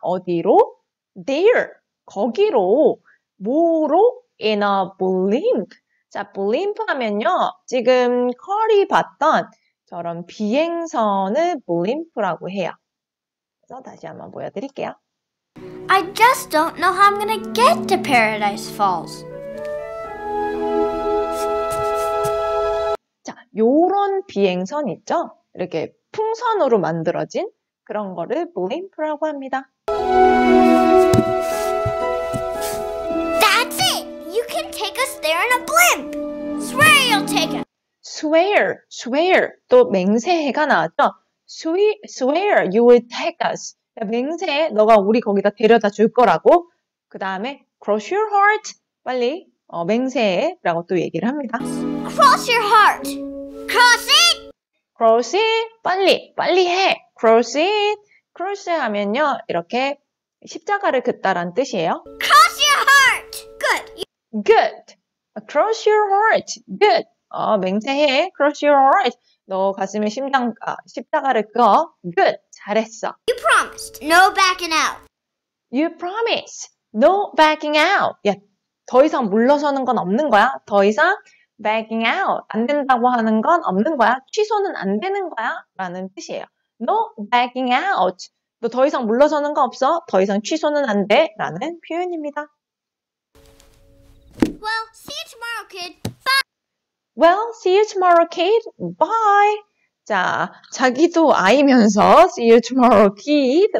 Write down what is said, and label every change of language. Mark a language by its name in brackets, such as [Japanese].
[Korean] 어디로? [English] There. [Korean] 거기로. 뭐로? [English] In a blimp. [Korean] 자, [English] blimp 하면요. [Korean] 지금 커리 봤던 저런 비행선을 blimp라고 해요. 그래서 다시 한번 보여드릴게요. [English] I just don't know how I'm gonna get to Paradise Falls. [Korean] 자, 요런 비행선 있죠? 이렇게 풍선으로 만들어진 그런 거를 blimp라고 합니다. [English] That's it! You can take us there in a blimp! Swear you'll take us! Swear, swear. [Korean] 또 맹세해가 나왔죠? [English] Swear you will take us. [Korean] 맹세해. 너가 우리 거기다 데려다 줄 거라고. 그 다음에 [English] cross your heart. [Korean] 빨리 맹세해. 라고 또 얘기를 합니다. [English] Cross your heart. Cross it. Cross it. [Korean] 빨리. 빨리 해. [English] Cross it. [Korean] Cross 하면요. 이렇게 십자가를 긋다라는 뜻이에요. [English] Cross your heart. Good. Good. Cross your heart. Good. [Korean] 맹세해. [English] Cross your heart. [Korean] 너 가슴에 십자가를 그어. [English] Good. [Korean] 잘했어. [English] You promised. No backing out. You promise. No backing out. [Korean] 야, 더 이상 물러서는 건 없는 거야. 더 이상 [English] backing out. [Korean] 안 된다고 하는 건 없는 거야. 취소는 안 되는 거야. 라는 뜻이에요. [English] No backing out. [Korean] 너 더 이상 물러서는 거 없어. 더 이상 취소는 안 돼. 라는 표현입니다. [English] Well, see you tomorrow, kid. Bye. Well, see you tomorrow, kid. Bye. [Korean] 자, 자기도 아이면서 [English] see you tomorrow, kid.